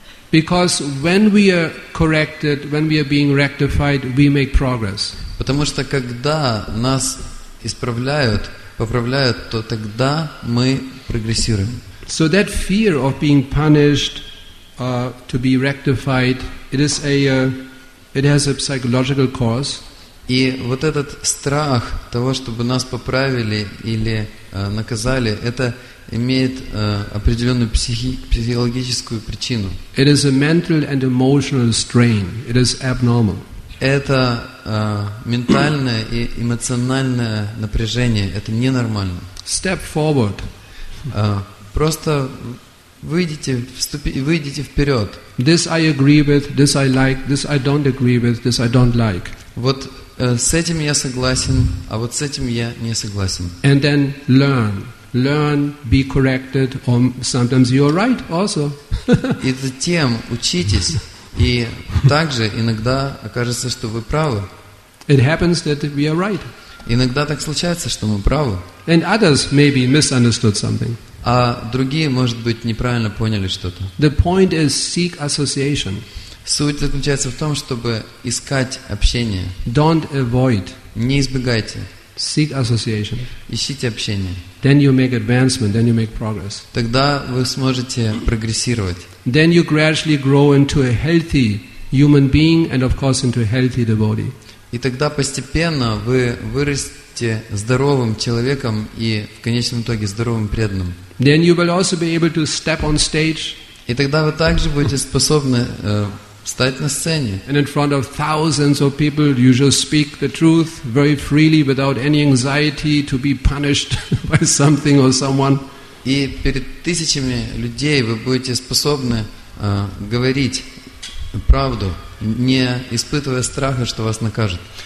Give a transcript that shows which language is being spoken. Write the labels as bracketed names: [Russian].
[English] Because when we are corrected, when we are being rectified, we make progress. [Russian] Потому что когда нас исправляют, поправляют, то тогда мы прогрессируем. [English] So that fear of being punished, to be rectified, it has a psychological cause. [Russian] И вот этот страх того, чтобы нас поправили или наказали, это имеет определенную психологическую причину. [English] It is a mental and emotional strain. It is abnormal. [Russian] Это ментальное и эмоциональное напряжение. Это ненормально. [English] Step forward. [Russian] Просто выйдите вперед. [English] This I agree with, this I like, this I don't agree with, this I don't like. [Russian] Вот с этим я согласен, а вот с этим я не согласен. [English] And then learn. Learn, be corrected, or sometimes you are right also. [Russian] И затем учитесь, и также иногда окажется, что вы правы. [English] It happens that we are right. [Russian] Иногда так случается, что мы правы. [English] And others maybe misunderstood something. [Russian] А другие, может быть, неправильно поняли что-то. [English] The point is seek association. [Russian] Суть заключается в том, чтобы искать общение. [English] Don't avoid. [Russian] Не избегайте. [English] Seek association. [Russian] Ищите общение. [English] Then you make advancement. Then you make progress. [Russian] Тогда вы сможете прогрессировать. [English] Then you gradually grow into a healthy human being and, of course, into a healthy devotee. [Russian] И тогда постепенно вы вырастете здоровым человеком и в конечном итоге здоровым преданным. [English] Then you will also be able to step on stage. [Russian] И тогда вы также будете способны встать на сцене. [English] And in front of thousands of people, you just speak the truth very freely without any anxiety to be punished by something or someone. [Russian] И перед тысячами людей вы будете способны говорить правду, не испытывая страха, что вас накажут.